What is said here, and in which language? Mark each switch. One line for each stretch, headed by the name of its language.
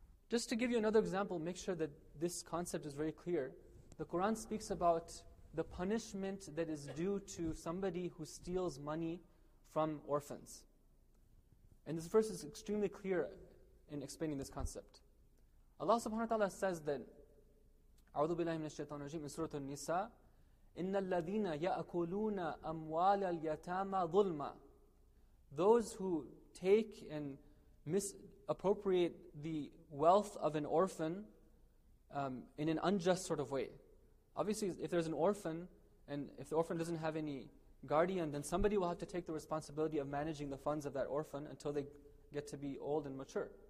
English: Just to give you another example, make sure that this concept is very clear. The Quran speaks about the punishment that is due to somebody who steals money from orphans. And this verse is extremely clear in explaining this concept. Allah subhanahu wa ta'ala says that
Arabic: أعوذ بالله من الشيطان الرجيم من سورة النساء إن الذين يأكلون أموال اليتامى ظلما.
English: Those who take and misappropriate the wealth of an orphan in an unjust sort of way. Obviously, if there's an orphan, and if the orphan doesn't have any guardian, then somebody will have to take the responsibility of managing the funds of that orphan until they get to be old and mature.